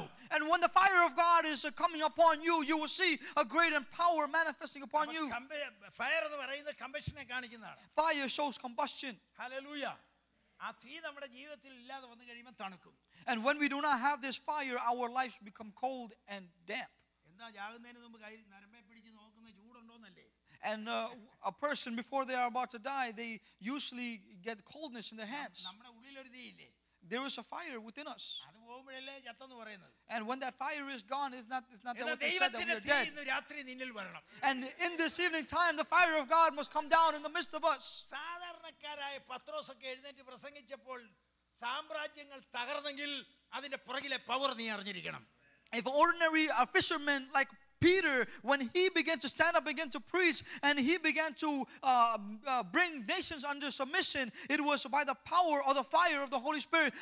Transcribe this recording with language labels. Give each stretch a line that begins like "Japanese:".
English: And when the fire of God is coming upon you you will see a great and power manifesting upon you.
Malayalam: Fire എന്ന് പറയുന്ന combustion കാണിക്കുന്നതാണ്.
English: Fire shows combustion. Hallelujah.
Malayalam: ആ തീ നമ്മുടെ ജീവിതത്തിൽ ഇല്ലാതെ വന്നു കഴിയുമ്പോൾ തണുക്കും.
English: And when we do not have this fire our lives become cold and damp.
Malayalam: എന്താ ജാഗുന്നതിന് മുമ്പ് കൈ നരമ്പേ പിടിച്ച് നോക്കുന്ന ചൂടുണ്ടോന്നല്ലേ.
English: And a person before they are about to die they usually get coldness in their hands.
Malayalam: നമ്മുടെ ഉള്ളിൽ ഒരു തീ ഇല്ലേ.
English: There is a fire within us.
Malayalam: അത് പോകുമ്പോഴല്ലേ ജത്തെന്ന് പറയുന്നത്.
English: And when that fire is gone is not that what they said that we are dead.
Malayalam: ദൈവത്തിന്റെ തീ രാത്രി നിന്നിൽ വരണം.
English: And in this evening time the fire of God must come down in the midst of us.
Malayalam: സാധാരണക്കാരായ പത്രോസ് ഒക്കെ എഴുന്നേറ്റ് പ്രസംഗിച്ചപ്പോൾ സാമ്രാജ്യങ്ങൾ തകർന്നെങ്കിൽ അതിന്റെ പുറകിലെ പവർ നീ അറിഞ്ഞിരിക്കണം.
English: If ordinary fishermen like Peter, when he began to stand up, began to preach, and he began to bring nations under submission, it was by the power or the fire of the Holy Spirit.